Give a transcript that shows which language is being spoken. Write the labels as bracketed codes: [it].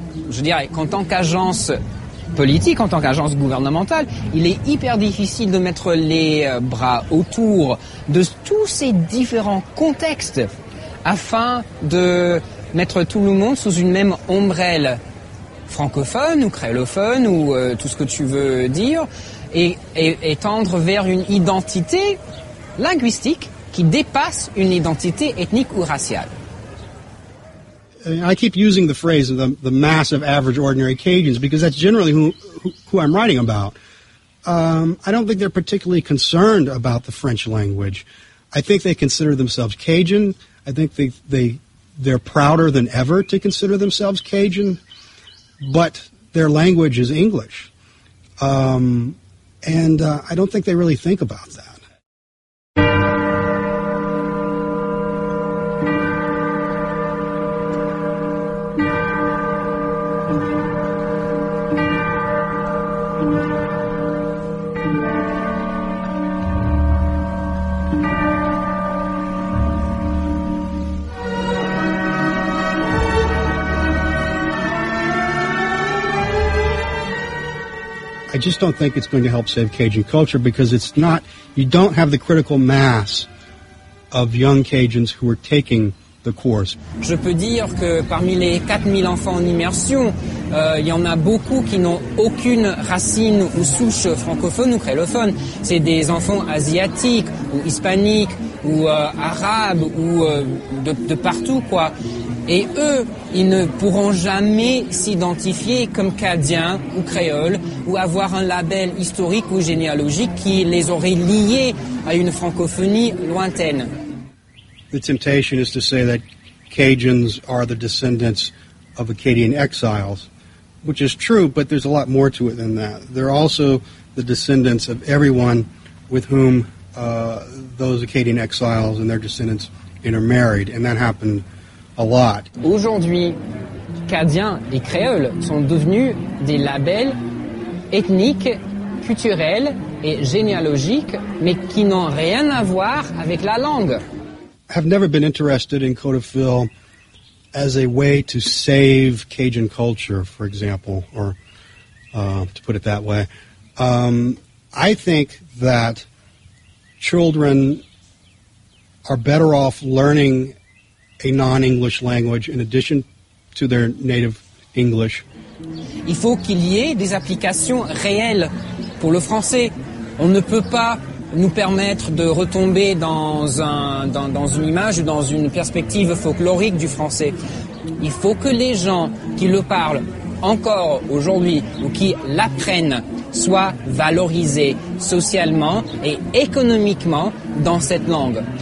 [fr] Je dirais qu'en tant qu'agence politique, en tant qu'agence gouvernementale, il est hyper difficile de mettre les bras autour de tous ces différents contextes afin de mettre tout le monde sous une même ombrelle francophone ou créolophone ou tout ce que tu veux dire et tendre vers une identité linguistique qui dépasse une identité ethnique ou raciale. [en] I keep using the phrase of the mass of average ordinary Cajuns because that's generally who I'm writing about. I don't think they're particularly concerned about the French language. I think they consider themselves Cajun. I think they're prouder than ever to consider themselves Cajun, but their language is English. I don't think they really think about that. I just don't think it's going to help save Cajun culture because it's not, you don't have the critical mass of young Cajuns who are taking the course. [fr] Je peux dire que parmi les 4000 enfants en immersion, il y en a beaucoup qui n'ont aucune racine ou souche francophone ou créolophone. C'est des enfants asiatiques ou hispaniques ou arabes ou de partout, quoi. Et eux, ils ne pourront jamais s'identifier comme cadiens ou créoles ou avoir un label historique ou généalogique qui les aurait liés à une francophonie lointaine. [en] The temptation is to say that Cajuns are the descendants of Acadian exiles, which is true, but there's a lot more to it than that. They're also the descendants of everyone with whom those Acadian exiles and their descendants intermarried, and that happened a lot. [fr] Aujourd'hui, Cadiens et Créoles sont devenus des labels ethniques, culturels et généalogiques, mais qui n'ont rien à voir avec la langue. [en] I've never been interested in Code of Phil as a way to save Cajun culture, for example, or to put it that way. I think that children are better off learning a non-English language in addition to their native English. [fr] Il faut qu'il y ait des applications réelles pour le français. On ne peut pas nous permettre de retomber dans une image ou dans une perspective folklorique du français. Il faut que les gens qui le parlent encore aujourd'hui ou qui l'apprennent soient valorisés socialement et économiquement dans cette langue.